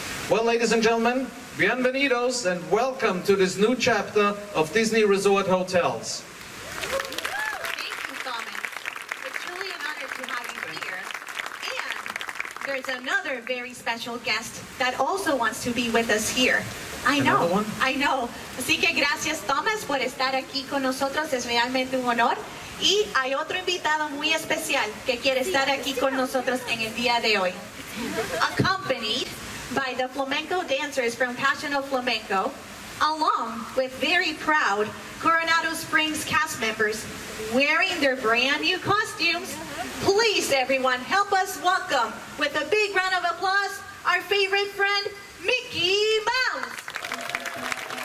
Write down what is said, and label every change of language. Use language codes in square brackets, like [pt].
[en] Well, ladies and gentlemen, bienvenidos and welcome to this new chapter of Disney Resort Hotels. Thank you, Solomon. It's truly an honor to have you here. And there's another very special guest that also wants to be with us here. I know. [es] Así que gracias, Thomas, por estar aquí con nosotros. Es realmente un honor. Y hay otro invitado muy especial que quiere estar aquí con nosotros en el día de hoy. [en] Accompanied by the flamenco dancers from Passion of Flamenco, along with very proud Coronado Springs cast members wearing their brand new costumes, please, everyone, help us welcome, with a big round of applause, our favorite friend, Mickey Mouse!